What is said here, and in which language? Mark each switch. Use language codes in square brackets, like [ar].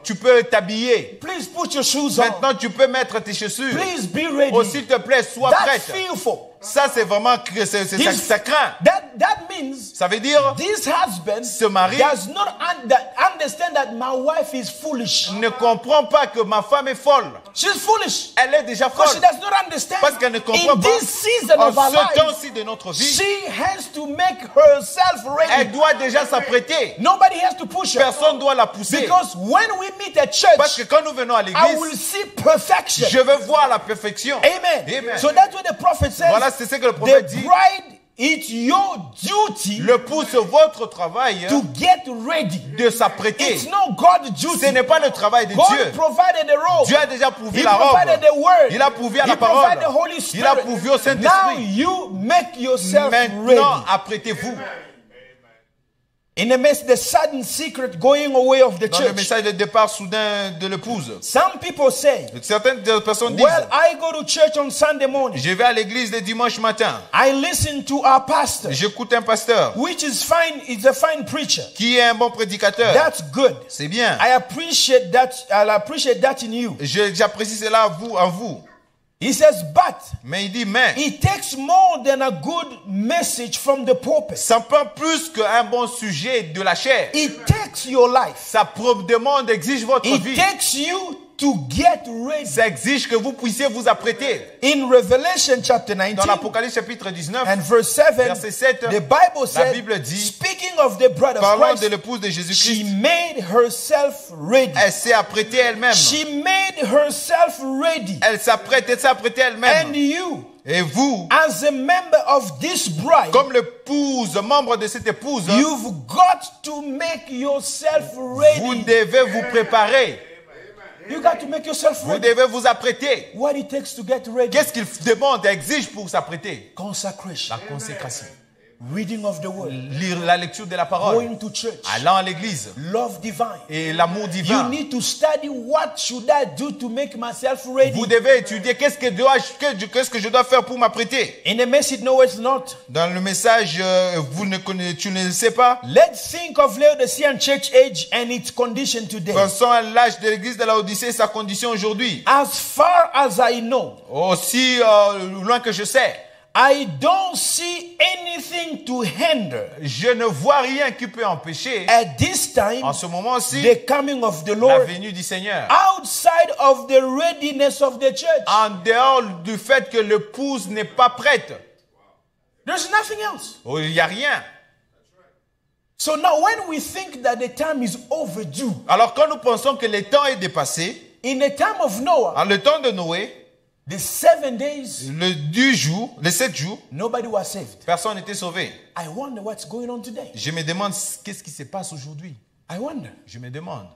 [fr] Tu peux t'habiller. [en] Please put your shoes [fr] maintenant, Maintenant, tu peux mettre tes chaussures. [en] Please be ready. [fr] Oh, s'il te plaît, sois [en] that's [fr] prête. [en] That's fearful. [fr] Ça, c'est vraiment c'est ça craint. [en] That means. [fr] Ça veut dire. [en] This husband. [fr] Ce mari. [en] Does not understand that my wife is foolish. [fr] Ne comprend pas que ma femme est folle. [en] She's foolish. [fr] Elle est déjà folle. [en] Because she does not understand. [fr] Parce qu'elle ne comprend [en] in [fr] pas. [en] In this season of our [fr] lives. En ce temps-ci de notre vie. [en] She has to make herself ready. [fr] Elle doit déjà s'apprêter. [en] Nobody has to push her. [fr] Personne doit la pousser. [en] Because when we meet at church. [fr] Parce que quand nous venons à l'église. [en] I will see perfection. [fr] Je veux voir la perfection. [en] Amen. [fr] Amen. [en] So that's what the prophet says. [fr] Voilà, c'est ce que le prophète dit. [en] The bride, it's your duty. [fr] Le pousse votre travail. [en] To get ready. [fr] De s'apprêter. [en] It's not God's duty. [fr] Ce n'est pas le travail de [en] God [fr] Dieu. [en] God provided the robe. [fr] Dieu a déjà pourvu [en] He [fr] la robe. [en] He provided the word. [fr] Il a pourvu à [en] He [fr] la parole. [en] He provided the Holy Spirit. [fr] Il a pourvu au Saint-Esprit. [en] Now you make yourself [fr] maintenant, [en] ready. [fr] Maintenant, apprêtez-vous. [en] In the midst of the sudden secret going away of the [fr] dans [en] church. [fr] Dans le message de départ soudain de l'épouse. [en] Some people say. [fr] Certaines personnes [en] well, [fr] disent. [en] Well, I go to church on Sunday morning. [fr] Je vais à l'église le dimanche matin. [en] I listen to our pastor. [fr] J'écoute un pasteur. [en] Which is fine, is a fine preacher. [fr] Qui est un bon prédicateur. [en] That's good. [fr] C'est bien. [en] I appreciate that. I'll appreciate that in you. [fr] J'apprécie cela en vous. [en] He says, but. [fr] Mais il dit mais. [en] It takes more than a good message from the pulpit. [fr] Ça prend plus qu'un bon sujet de la chair. [en] It takes your life. [fr] Ça demande, exige votre [en] it [fr] vie. [en] It takes you to get ready. [fr] Ça exige que vous puissiez vous apprêter. [en] In Revelation chapter 19. [fr] Dans l'Apocalypse chapitre 19. [en] And verse 7. [fr] Verset 7. [en] The Bible says. [fr] La Bible dit. [en] Speaking of the bride of Christ. [fr] Parlant de l'épouse de Jésus-Christ. [en] She made herself ready. [fr] Elle s'est apprêtée elle-même. [en] She made herself ready. [fr] Elle s'est apprêtée elle-même. [en] And you. [fr] Et vous, [en] as a member of this bride, [fr] comme l'épouse, membre de cette épouse, [en] you've got to make yourself ready. [fr] Vous devez vous préparer. [en] You got to make yourself ready. [fr] Vous devez vous apprêter. [en] What it takes to get ready? [fr] Qu'est-ce qu'il demande, exige pour s'apprêter? [en] Consecration. [fr] La consécration. [en] Reading of the word. [fr] Lire la lecture de la parole. [en] Going to church. [fr] Allant à l'église. [en] Love divine. [fr] Et l'amour divin. [en] You need to study what should I do to make myself ready. [fr] Vous devez étudier qu'est-ce que je dois faire pour m'apprêter. [en] In the message, no, it's not. [fr] Dans le message, vous ne connaissez, tu ne sais pas. [en] Let's think of Laodicean church age and its condition today. [fr] Pensons à l'âge de l'église de Laodicée, sa condition aujourd'hui. [en] As far as I know. [fr] Aussi loin que je sais. [en] I don't see anything to hinder. [fr] Je ne vois rien qui peut empêcher. [en] At this time, [fr] en ce moment-ci, [en] the coming of the Lord, [fr] la venue du Seigneur, [en] outside of the readiness of the church, [fr] en dehors du fait que l'épouse n'est pas prête, [en] there's nothing else. [fr] Oh, il y a rien. [en] So now, when we think that the time is overdue, [fr] alors quand nous pensons que le temps est dépassé, [en] in the time of Noah, [fr] en le temps de Noé. [en] The 7 days. [fr] Le 10 jours, les 7 jours. [en] Nobody was saved. [fr] Personne n'était sauvé. [en] I wonder what's going on today. [fr] Je me demande qu'est-ce qui se passe aujourd'hui. [en] I wonder. [fr] Je me demande.